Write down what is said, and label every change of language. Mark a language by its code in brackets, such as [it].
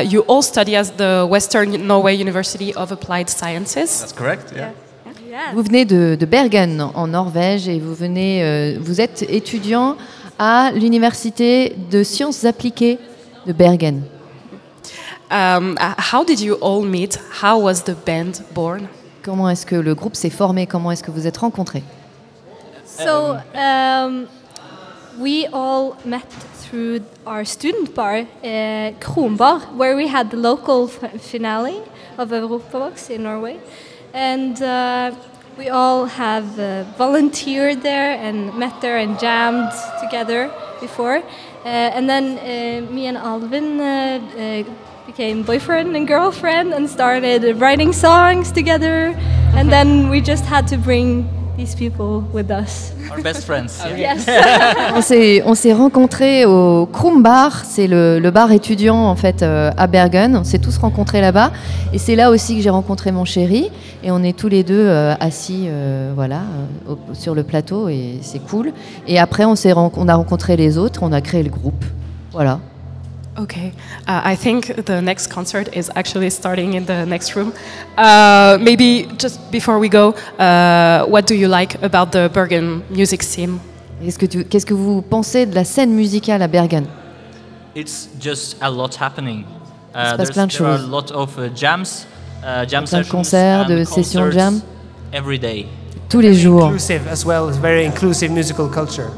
[en] You all study at the Western Norway University of Applied Sciences. That's correct. Yeah. Yeah. [fr] Vous venez de Bergen en Norvège et vous êtes étudiant à l'université de sciences appliquées de Bergen. [en] How did you all meet? How was the band born? [fr] Comment est-ce que le groupe s'est formé? Comment est-ce que vous êtes rencontrés? [en] So. We all met through our student bar, Kronbar, where we had the local finale of Europavox in Norway. And we all have volunteered there and met there and jammed together before. And then me and Alvin became boyfriend and girlfriend and started writing songs together. Mm-hmm. And then we just had to bring these people with us. Our best friends. Yeah. Yes. [fr] On s'est rencontrés au Krumbar, c'est le bar étudiant en fait à Bergen. On s'est tous rencontrés là-bas et c'est là aussi que j'ai rencontré mon chéri et on est tous les deux assis sur le plateau et c'est cool. Et après on a rencontré les autres, on a créé le groupe. Voilà. [en] Okay, I think the next concert is actually starting in the next room. Maybe just before we go, what do you like about the Bergen music scene? [fr] Qu'est-ce que vous pensez de la scène musicale à Bergen? [en] It's just a lot happening. [fr] Il se passe plein de choses. [en] There are a lot of jams, jam sessions, concerts, [fr] de sessions jam. [en] Every day. [fr] Tous les jours. [en] Inclusive as well, very inclusive musical culture.